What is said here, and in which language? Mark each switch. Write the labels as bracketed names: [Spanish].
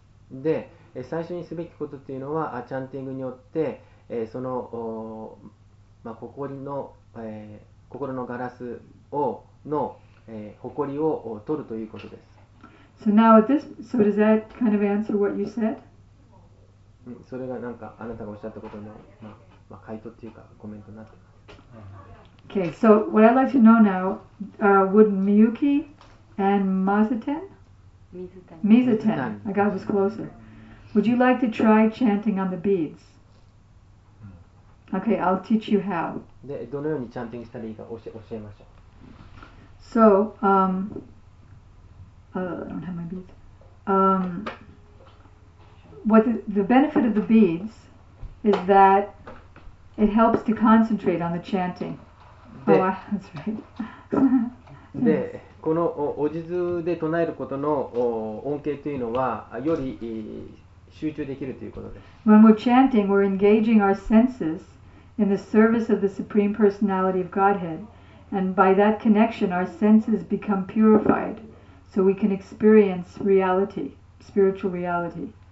[Japanese] で、最初にすべきことというのはチャンティングによって、その、まあ、埃の心のガラスをの、埃を取るということです。 [English] So now at this, so does that kind of answer what you said? [Japanese] それがなんかあなたがおっしゃったことの、まあまあ、回答っていうかコメントになってます。 [English] Okay, so what I'd like to know now, would Miyuki and Mizuten? Mizuten. Mizuten. I got was closer. Would you like to try chanting on the beads? Okay, I'll teach you how. [Japanese] で、どのようにチャンティングしたらいいか教えましょう。 [English] So, I don't have my beads. What the benefit of the beads is that it helps to concentrate on the chanting. [Japanese] で、 [English] oh, wow, that's right. [Japanese] で、このお地図で唱えることの恩恵というのは、より集中できるということです。 [English] When we're chanting, we're engaging our senses in the service of the Supreme Personality of Godhead. And by that connection, our senses become purified, so we can experience reality, spiritual reality.